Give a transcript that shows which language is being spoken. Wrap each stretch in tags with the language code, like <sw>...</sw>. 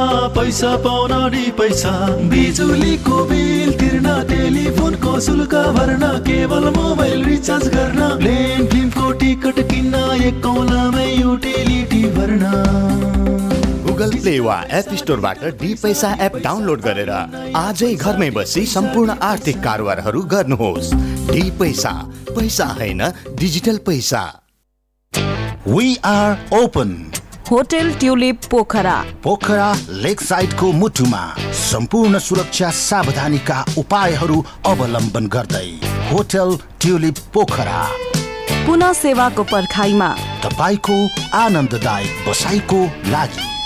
<ne>बिजुलीको बिल तिर्न टेलिफोनको शुल्क भर्न केवल मोबाइल रिचार्ज गर्न प्लेन फिल्मको टिकट किन्न एक कोलामै युटिलिटी भर्न गुगल प्ले वा एप स्टोरबाट डी पैसा एप डाउनलोड गरेर आजै घरमै बसी सम्पूर्ण आर्थिक कारोबारहरू गर्नुहोस्। डी पैसा, पैसा हैन डिजिटल पैसा।</ne> <en>We are open.</en> <ne>Hotel tulip Pokhara, Pokhara लेक साइडको मुटुमा सम्पूर्ण सुरक्षा सावधानीका उपायहरू अवलम्बन गर्दै होटल ट्युलिप पोखरा पुनः सेवाको पर्खाइमा तपाईँको आनन्ददायक बसाइको लागि</ne>